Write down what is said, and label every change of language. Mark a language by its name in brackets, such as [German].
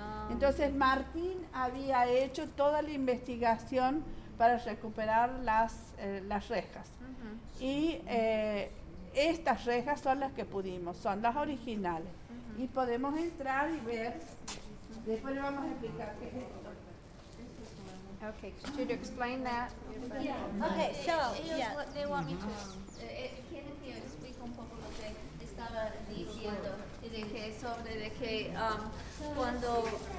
[Spanish] Entonces Martín había hecho toda la investigación para recuperar las rejas. Uh-huh. Y estas rejas son las que pudimos, son las originales. Uh-huh. Y podemos entrar y ver, después le vamos a explicar qué es esto. [English] Okay, should you explain that? Yeah. Okay, so they, yeah. They want me to. [Spanish] Kenneth, [English] you speak [Spanish] un poco lo que estaba diciendo. De que sobre de que cuando.